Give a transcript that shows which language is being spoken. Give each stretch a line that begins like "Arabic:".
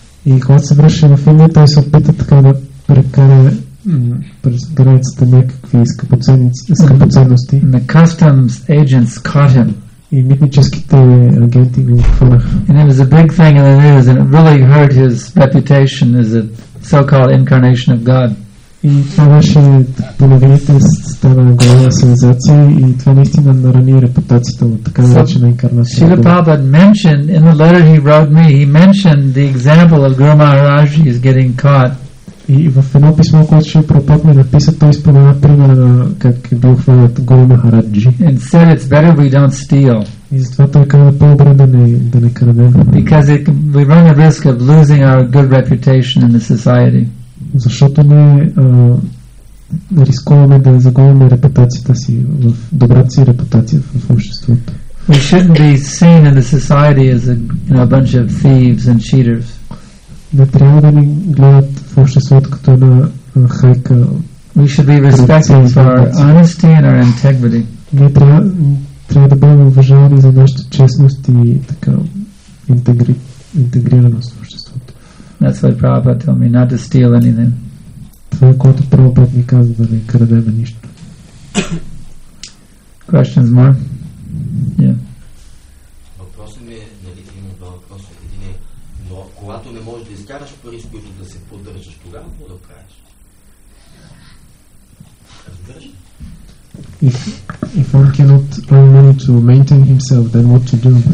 English: And the customs agents caught him. And it was a big thing in the news and it really hurt his reputation as a so-called incarnation of God.
Bulgarian: И това беше половините стана голяма сензация и това наистина нарани репутацията му, така наречена инкарнация.
English: Шрила Прабхупада mentioned in the letter he wrote me, he mentioned the example of Guru Maharaj is getting caught.
Bulgarian: И в едно писмо, което Шрила Прабхупада ми написа, той спомена примера на как е бил хванат Гуру Махараджи.
English: And said it's better we don't steal.
Bulgarian: И затова той каза по-добре да не крадем.
English: Because it, we run the risk of losing our good reputation in the society.
Bulgarian: Защото ние рискуваме да загубим репутацията си в добрата си репутация в обществото.
English: We shouldn't be seen in the society as a, you know, a bunch of thieves and cheaters.
Bulgarian: Не трябва да ни гледат в обществото като една хайка.
English: We should be respected for our honesty and our integrity.
Bulgarian: Ние трябва да бъдем уважавани за нашата честност и така интегрираност в обществото.
English: That's what Prabhupada told me, not to steal anything.
Bulgarian: Това е което Прабхупад ми каза, да не крадем нищо.
English: Questions more?
Bulgarian: Въпросът ми е, нали, има два въпроса. Един е, но когато не можеш да изкараш пари, с които да се поддържаш, тогава какво да правиш? Разбираш?
English: If one cannot earn money to maintain himself, then what to do?